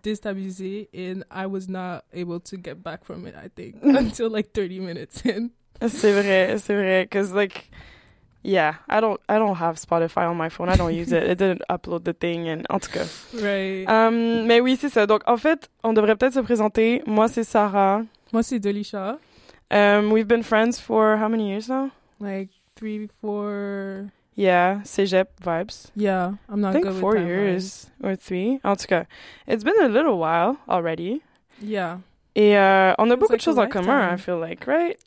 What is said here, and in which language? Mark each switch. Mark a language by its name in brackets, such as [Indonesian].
[French] Déstabilisé, [English] and I was not able to get back from it, I think, until like 30 minutes in. [French] C'est vrai, [English] because like, yeah, I don't have Spotify on my phone, I don't use it, it didn't upload the thing, and [French] en tout cas. [English] Right. [French] Mais oui, c'est ça, donc en fait, on devrait peut-être se présenter, moi c'est Sarah. Moi c'est Delisha. [English] We've been friends for how many years now? Like 3-4... Yeah, cégep vibes. Yeah, I'm not good with time. I think 4 years vibes. Or 3. [French] En tout cas, [English] it's been a little while already. Yeah. [French] Et on a beaucoup de choses en commun, [English] I feel like, right?